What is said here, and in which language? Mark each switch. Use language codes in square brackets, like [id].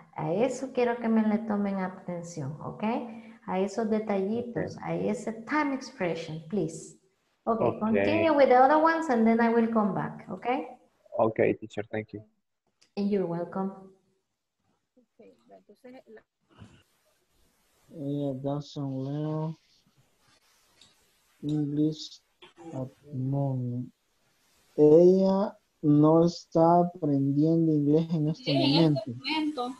[es] A eso quiero que me le tomen atención, okay? A esos detallitos, okay. A ese time expression, please. [en] Okay, continue with the other ones and then I will come back, okay? Okay, teacher, thank you. And you're welcome. Okay, yeah, that's a little English at moment. [es] Ella no está aprendiendo inglés en este momento.